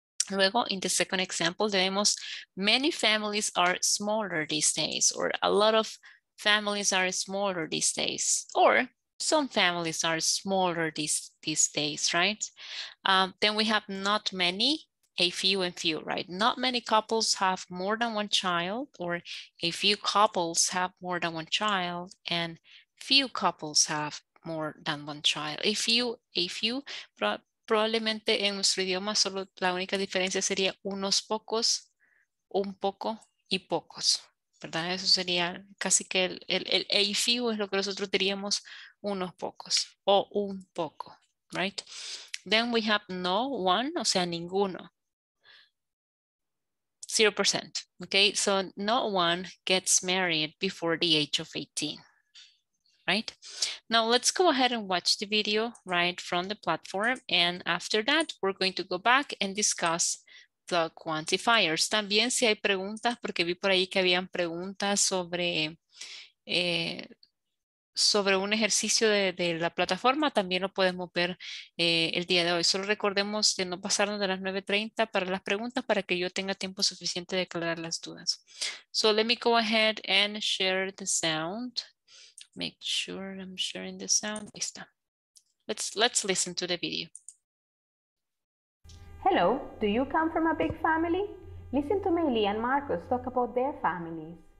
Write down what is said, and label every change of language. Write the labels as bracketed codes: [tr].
[es] Luego, [en] in the second example, [es] tenemos [en] many families are smaller these days, or a lot of families are smaller these days, or some families are smaller these days, right? Then we have not many, a few and few, right? Not many couples have more than one child, or a few couples have more than one child, and few couples have more than one child. [es] A few, probablemente en nuestro idioma solo la única diferencia sería unos pocos, un poco y pocos, ¿verdad? Eso sería casi que el a few es lo que nosotros diríamos unos pocos o un poco, [en] right? Then we have no one, [es] o sea, ninguno. [en] 0%. Okay, so no one gets married before the age of 18, right? Now let's go ahead and watch the video right from the platform. And after that, we're going to go back and discuss the quantifiers. [es] También si hay preguntas, porque vi por ahí que habían preguntas sobre, sobre un ejercicio de la plataforma, también lo podemos ver el día de hoy. Solo recordemos de no pasarnos de las 9:30 para las preguntas para que yo tenga tiempo suficiente de aclarar las dudas. [en] So let me go ahead and share the sound. Make sure I'm sharing the sound. [es] Ahí está. [en] Let's listen to the video. Hello, do you come from a big family? Listen to Meili and Marcos talk about their families.